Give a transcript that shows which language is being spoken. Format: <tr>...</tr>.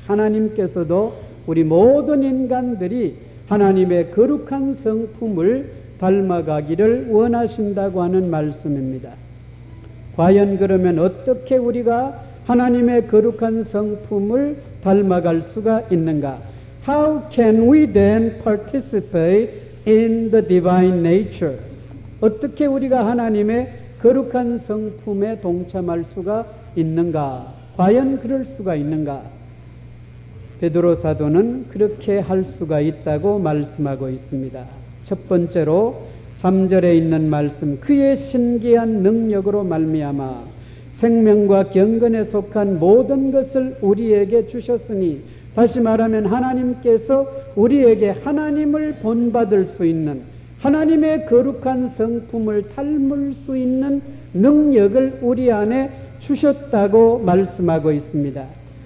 <ko>하나님께서도 우리 모든 인간들이 하나님의 거룩한 성품을 닮아가기를 원하신다고 하는 말씀입니다. 과연 그러면 어떻게 우리가 하나님의 거룩한 성품을 닮아갈 수가 있는가?</ko> <en>How can we then participate in the divine nature?</en> <ko>어떻게 우리가 하나님의 거룩한 성품에 동참할 수가 있는가? 과연 그럴 수가 있는가? 베드로 사도는 그렇게 할 수가 있다고 말씀하고 있습니다. 첫 번째로 3절에 있는 말씀, 그의 신기한 능력으로 말미암아 생명과 경건에 속한 모든 것을 우리에게 주셨으니, 다시 말하면 하나님께서 우리에게 하나님을 본받을 수 있는, 하나님의 거룩한 성품을 닮을 수 있는 능력을 우리 안에 주셨다고 말씀하고 있습니다.</ko>